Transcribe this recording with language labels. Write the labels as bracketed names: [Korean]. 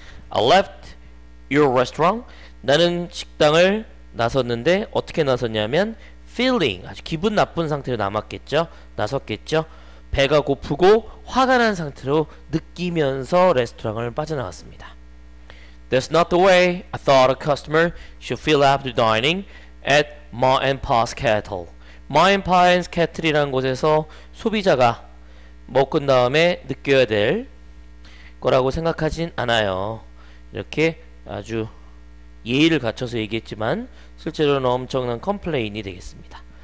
[English] I left your restaurant. [Korean] 나는 식당을 나섰는데 어떻게 나섰냐면 feeling 아주 기분 나쁜 상태로 남았겠죠. 나섰겠죠. 배가 고프고 화가 난 상태로 느끼면서 레스토랑을 빠져나왔습니다. [English] That's not the way I thought a customer should feel after dining at Ma and Pa's Kettle. [Korean] Ma and Pa's Kettle이란 곳에서 소비자가 먹은 다음에 느껴야 될 거라고 생각하진 않아요. 이렇게 아주 예의를 갖춰서 얘기했지만 실제로는 엄청난 컴플레인이 되겠습니다.